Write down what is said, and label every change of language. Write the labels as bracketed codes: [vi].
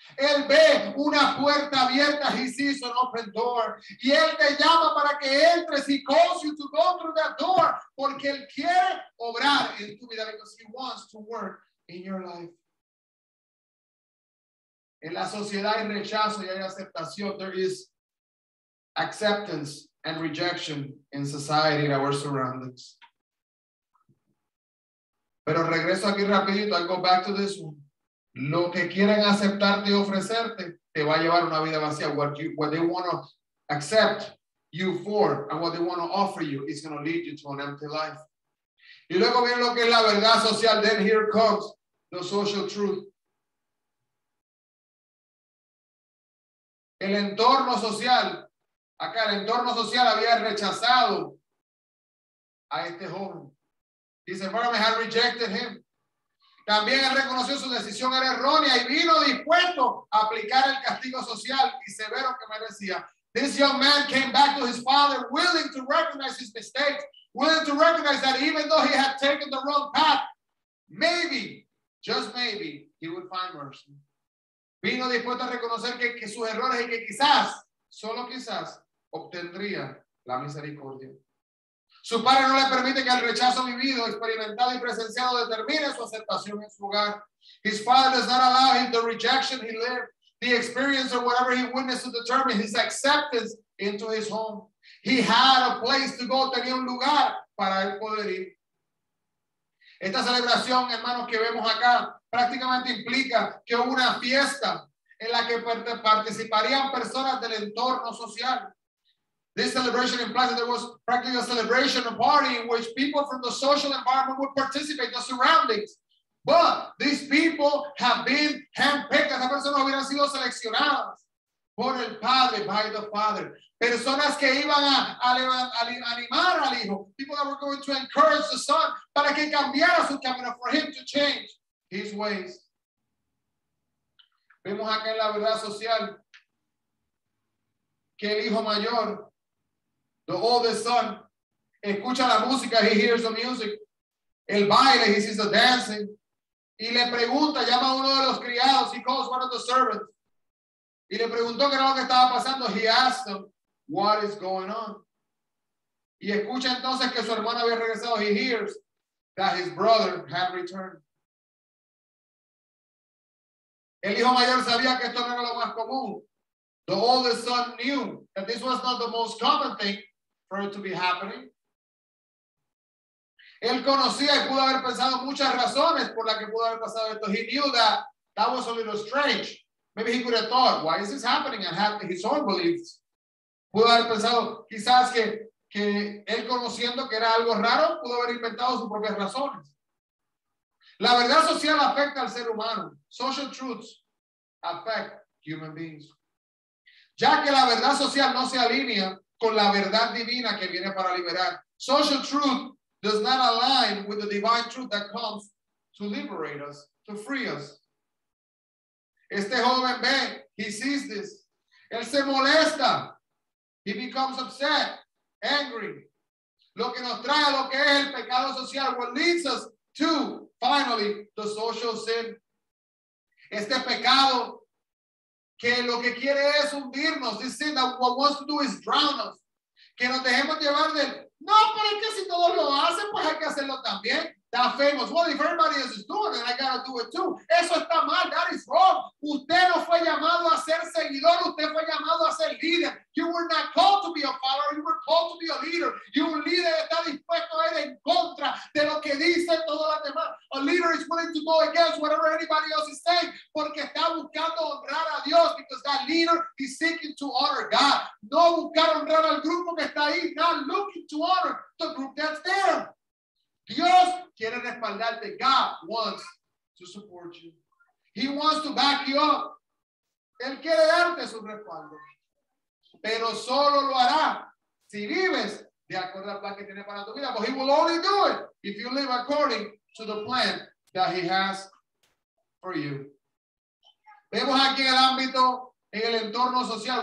[es] Él ve una puerta abierta, [en] he sees an open door. [es] Y él te llama para que entres, [en] he calls you to go through that door, [es] porque él quiere obrar en tu vida, [en] because he wants to work in your life. [es] En la sociedad hay rechazo y hay aceptación. [en] There is acceptance and rejection in society, in our surroundings. [es] Pero regreso aquí rapidito. [en] I go back to this one. [es] Lo que quieren aceptarte y ofrecerte te va a llevar una vida vacía. [en] What they want to accept you for and what they want to offer you is going to lead you to an empty life. [es] Y luego viene lo que es la verdad social. [en] Then here comes the social truth. [es] El entorno social, acá el entorno social había rechazado a este joven. Dice, bueno, me han [en] rejected him. [es] También él reconoció su decisión era errónea y vino dispuesto a aplicar el castigo social y severo que merecía. [en] This young man came back to his father willing to recognize his mistakes, willing to recognize that even though he had taken the wrong path, maybe, just maybe, he would find mercy. [es] Vino dispuesto a reconocer que sus errores y que quizás, solo quizás, obtendría la misericordia. Su padre no le permite que el rechazo vivido, experimentado y presenciado determine su aceptación en su hogar. [en] His father does not allow him the rejection he lived, the experience or whatever he witnessed to determine his acceptance into his home. He had a place to go, [es] tenía un lugar para él poder ir. Esta celebración, hermanos, que vemos acá, prácticamente implica que hubo una fiesta en la que participarían personas del entorno social. [en] This celebration implies that there was practically a celebration, a party in which people from the social environment would participate, the surroundings. But these people have been handpicked. [es] Esas personas hubieran sido seleccionadas por el padre, [en] by the father. [es] Personas que iban a animar al hijo. [en] People that were going to encourage the son [es] para que cambiara su camino, [en] for him to change his ways. [es] Vemos acá en la verdad social que el hijo mayor, [en] the oldest son, [es] escucha la música, [en] he hears the music, [es] el baile, [en] he sees the dancing, [es] y le pregunta, llama a uno de los criados, [en] he calls one of the servants, [es] y le preguntó qué era lo que estaba pasando, [en] he asked him, what is going on? [es] Y escucha entonces que su hermano había regresado, [en] he hears that his brother had returned. [es] El hijo mayor sabía que esto no era lo más común. [en] The oldest son knew that this was not the most common thing for it to be happening. [es] Él conocía y pudo haber pensado muchas razones por las que pudo haber pasado esto. [en] He knew that that was a little strange. Maybe he could have thought, why is this happening? And had his own beliefs. [es] Pudo haber pensado, quizás que él conociendo que era algo raro, pudo haber inventado sus propias razones. La verdad social afecta al ser humano. [en] Social truths affect human beings. [es] Ya que la verdad social no se alinea con la verdad divina que viene para liberar. [en] Social truth does not align with the divine truth that comes to liberate us, to free us. [es] Este joven ve, [en] he sees this. [es] Él se molesta. [en] He becomes upset, angry. [es] Lo que nos trae a lo que es el pecado social, [en] what leads us to, finally, the social sin. [es] Este pecado que lo que quiere es hundirnos. [en] This sin that what wants to do is drown us. [es] Que nos dejemos llevar del, no, pero es que si todos lo hacen, pues hay que hacerlo también. [en] That famous, well, if everybody else is doing it, I gotta do it too. [es] Eso está mal, [en] that is wrong. [es] Usted no fue llamado a ser seguidor, usted fue llamado a ser líder. [en] You were not called to be a follower, you were called to be a leader. [es] Y un líder está dispuesto a ir en contra de lo que dicen todos los demás. [en] A leader is willing to go against whatever anybody else is saying, [es] porque está buscando honrar a Dios, [en] because that leader is seeking to honor God. [es] No buscar honrar al grupo que está ahí, [en] not looking to honor the group that's there. [es] Dios quiere respaldarte. [en] God wants to support you. He wants to back you up. [es] Él quiere darte su respaldo. Pero solo lo hará si vives de acuerdo al plan que tiene para tu vida. [en] But he will only do it if you live according to the plan that he has for you. [es] Vemos aquí el ámbito, en el entorno social.